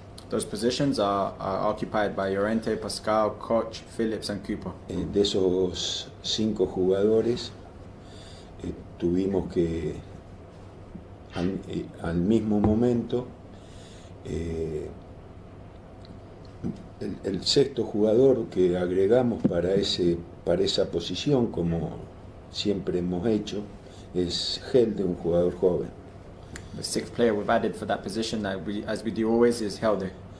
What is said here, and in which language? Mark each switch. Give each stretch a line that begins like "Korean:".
English: Those positions are occupied by Llorente, Pascal, Koch, Phillips, and Cooper.
Spanish: De esos cinco jugadores tuvimos que al mismo momento el sexto jugador que agregamos para esa posición, como siempre hemos hecho, es Helde, un jugador joven.
English: The sixth player we've added for that position that we as we do always is Helder.